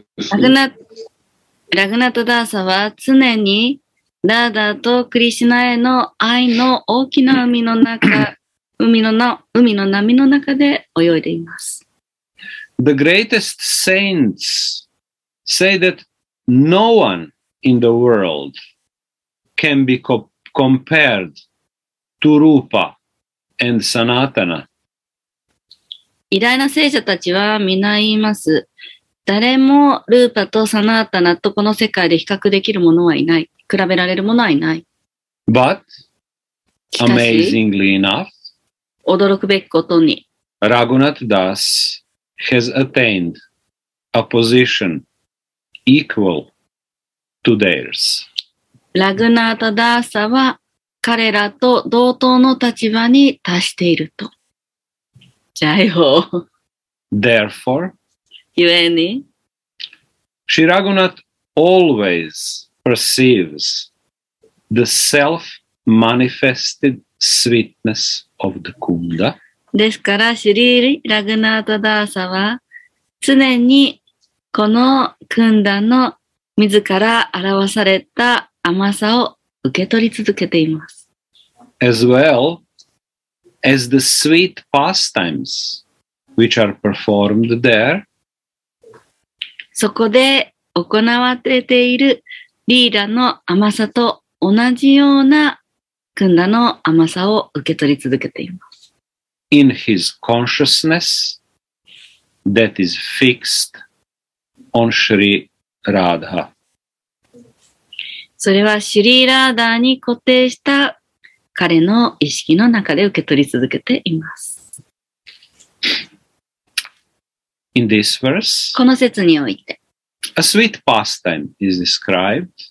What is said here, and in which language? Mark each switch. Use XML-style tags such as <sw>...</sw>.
<ja>Raghunatha Dasa は常にラーダとクリシナへの愛の大きな海の中海の波の中で泳いでいます。</ja> <en>The greatest saints say that no one in the world can be compared to Rupa and Sanatana.</en> <ja>偉大な聖者たちは皆言います。誰もルーパとサナータナとこの世界で比較できるものはいない。比べられるものはいない。</ja> <en>But, amazingly enough,</en> <ja>驚くべきことに。</ja> <en>Raghunath Das has attained a position equal to theirs.</en> <ja>Raghunath Das は彼らと同等の立場に達していると。じゃあよ。</ja> <en>Therefore,</en> <ja>ゆえに、</ja> <en>Shri Raghunath always perceives the self-manifested sweetness of the Kunda.</en> <ja>ですから、シュリー・ラグナータ・ダーサは常にこのクンダの自ら表された甘さを受け取り続けています。</ja> <en>As well as the sweet pastimes which are performed there.</en> <ja>そこで行われているリーラの甘さと同じようなクンダの甘さを受け取り続けています。</ja> <en>In his consciousness that is fixed on Shri Radha.</en> <ja>それはシュリーラーダーに固定した彼の意識の中で受け取り続けています。</ja> <en>In this verse,</en> <ja>この説において、</ja> <en>a sweet pastime is described.</en>